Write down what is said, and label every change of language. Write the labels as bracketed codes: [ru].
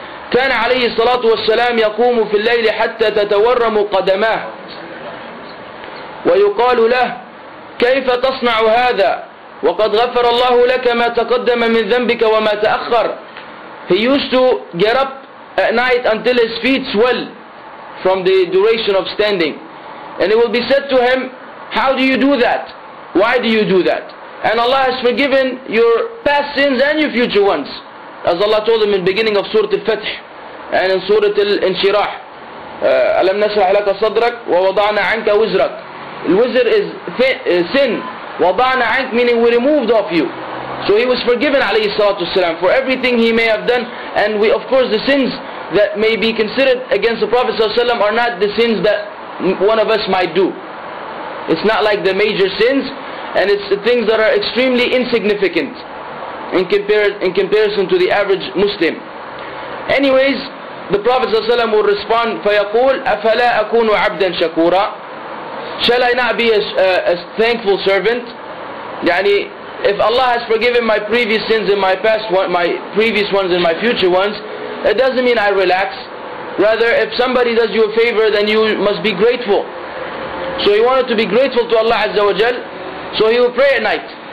[ar] كان عليه الصلاة والسلام يقوم في الليل حتى تتورم قدماه ويقال له كيف تصنع هذا وقد غفر الله لك ما تقدم من ذنبك وما تأخر. [en] He used to get up at night until his feet swell from the duration of standing. And it will be said to him, How do you do that? Why do you do that? And Allah has forgiven your past sins and your future ones. As Allah told them in the beginning of Surah Al-Fatih and in Surah Al-Inshirah. [ar] أَلَمْ نَشْرَحْ لَكَ صَدْرَكَ وَوَضَعْنَا عَنْكَ وِزْرَكَ. [en] The wizr is sin. [ar] وَضَعْنَا عَنْكَ [en] meaning we removed off you. So he was forgiven [ar] عليه الصلاة والسلام [en] for everything he may have done. And we, of course, the sins that may be considered against the Prophet ﷺ are not the sins that one of us might do. It's not like the major sins, and it's the things that are extremely insignificant in comparison to the average Muslim. Anyways, the Prophet ﷺ will respond, [ar] فَيَقُولْ أَفَلَا أَكُونُ عَبْدًا شَكُورًا. [en] Shall I not be a thankful servant? يعني, if Allah has forgiven my previous sins and my previous ones and my future ones, it doesn't mean I relax. Rather, if somebody does you a favor, then you must be grateful. So he wanted to be grateful to Allah Azza wa Jal. So he would pray at night.